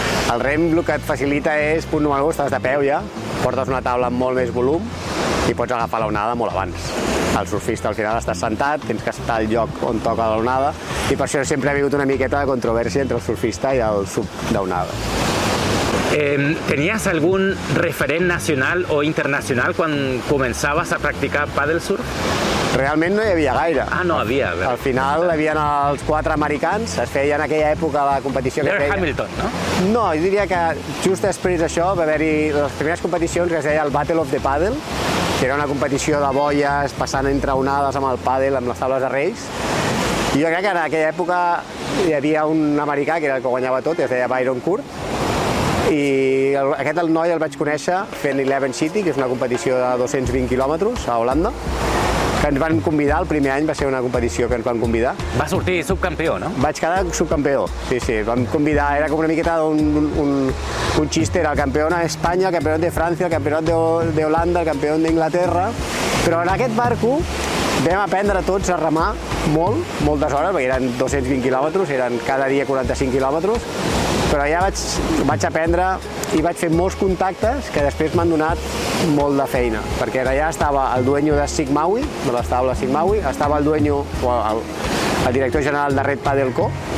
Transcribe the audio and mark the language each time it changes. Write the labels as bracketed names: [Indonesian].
[Catalan] El rem el que et facilita és, punt número 1, estàs de peu ja, portes una taula amb molt més volum i pots agafar l'onada molt abans. El surfista al final està assentat, tens que estar al lloc on toca l'onada i per això sempre ha vingut una miqueta de controvèrsia entre el surfista i el sub d'onada. [Spanish] ¿Tenías algún referent nacional o internacional [Catalan] quan començaves a practicar paddle surf? Realment no hi havia gaire. Ah, no havia. Al final hi havia els quatre americans, es feia en aquella època la competició que feia. Hamilton, no? No, jo diria que just després d'això va haver-hi les primeres competicions que es deia el Battle of the Paddle, que era una competició de boies passant entre onades amb el paddle, amb les taules de reis. I jo crec que en aquella època hi havia un americà que era el que guanyava tot, es deia Byron Kurt. I aquest el noi el vaig conèixer fent Eleven City, que és una competició de 220 quilòmetres a Holanda, que ens van convidar, el primer any va ser una competició que ens van convidar. Va sortir subcampió, no? Vaig quedar subcampió, sí, sí. Vam convidar, era com una miqueta un xister, el campeón d'Espanya, el campeón de França, el campeón de Holanda, el campeón d'Inglaterra. Però en aquest barco vam aprendre tots a remar molt, moltes hores, perquè eren 220 quilòmetres, eren cada dia 45 quilòmetres. Però ja vaig aprendre i vaig fer molts contactes que després m'han donat molt de feina. Perquè allà estava el dueño de Sigmaui, de les taules Sigmaui, estava el dueño, el director general de Red Paddle Co.